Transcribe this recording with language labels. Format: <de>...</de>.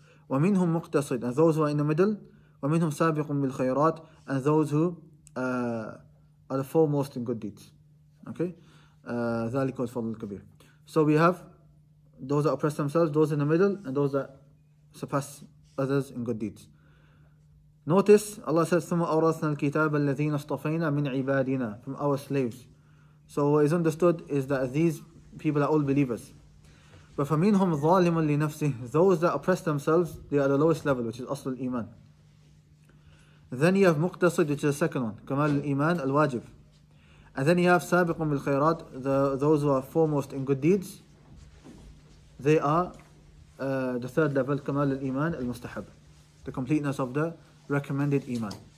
<ar>وَمِنْهُمْ مُقْتَصِدْ,</ar> <en>and those who are in the middle.</en> <ar>وَمِنْهُمْ سَابِقٌ بِالْخَيْرَاتِ,</ar> <en>and those who are the foremost in good deeds.</en> <ar>Okay? ذَلِكَ الْفَضْلُ الْكَبِيرُ.</ar> <en>So we have those that oppress themselves, those in the middle, and those that surpass others in good deeds. Notice, Allah says,</en> <ar>ثُمَّ أَوْرَثْنَا الْكِتَابَ الَّذِينَ اصْطَفَيْنَا مِنْ عِبَادِنَا,</ar> <en>from our slaves. So what is understood is that these people are all believers. But</en> <ar>فَمِنْهُمْ ظَالِمٌ لِنَفْسِهِ,</ar> <en>those that oppress themselves, they are the lowest level, which is</en> <ar>أصل الإيمان.</ar> <en>Then you have مُقْتَصِد, which is the second one,</en> <ar>كَمَالُ الْإِيمَانِ الْوَاجِبِ.</ar> <en>And then you have</en> <ar>سَابِقٌ بِالْخَيْرَاتِ,</ar> <en>those who are foremost in good deeds, they are the third level,</en> <ar>كَمَالُ الْإِيمَانِ الْمُسْتَحَبِ,</ar> <en>the completeness of the recommended Iman.</en>